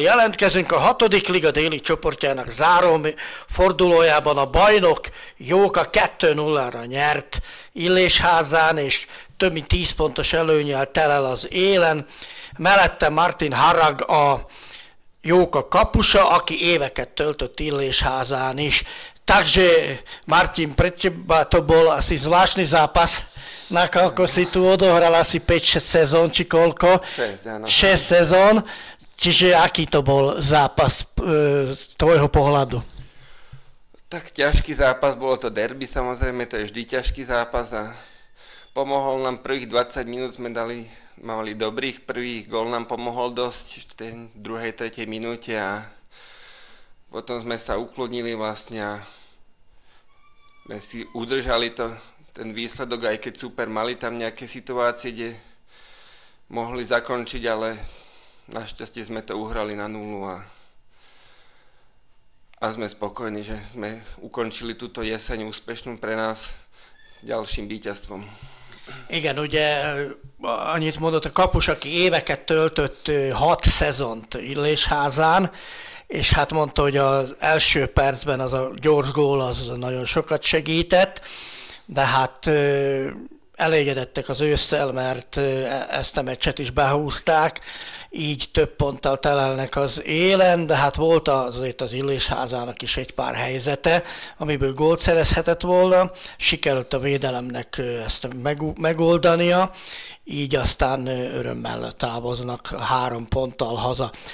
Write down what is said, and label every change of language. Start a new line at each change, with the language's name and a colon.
Hungarian: Jelentkezünk a 6. liga déli csoportjának záró fordulójában. A bajnok Jóka 2-0-ra nyert Illésházán, és több mint 10 pontos előnnyel telel az élen. Mellette Martin Harag, a Jóka kapusa, aki éveket töltött Illésházán is.
Slovak: Takže Martin, predseba to bol asi zvláštny zápas. Nakoľko si tu odohral asi 5-6 sezón, či koľko? 6 sezón. Čiže aký to bol zápas z tvojho pohľadu? Tak ťažký zápas, bolo to derby samozrejme, to je vždy ťažký zápas. A pomohol nám prvých 20 minút, sme dali, mali dobrých, prvý gól nám pomohol dosť v tej druhej, tretej minúte a potom sme sa uklonili vlastne a sme si udržali to. Ten výsledok, aj keď super, mali tam nejaké situácie, kde mohli zakončiť, ale našťastie sme to uhrali na nulu a sme spokojní, že sme ukončili túto jeseň úspešnú pre nás ďalším víťazstvom.
Hungarian: Igen, ugye annyit mondott a kapus, aki éveket töltött 6 szezont Illésházán, és hát mondta, hogy az első percben az a gyors gól az nagyon sokat segített, de hát elégedettek az ősszel, mert ezt a meccset is behúzták, így több ponttal telelnek az élen, de hát volt azért az Illésházának is egy pár helyzete, amiből gólt szerezhetett volna, sikerült a védelemnek ezt megoldania, így aztán örömmel távoznak 3 ponttal haza.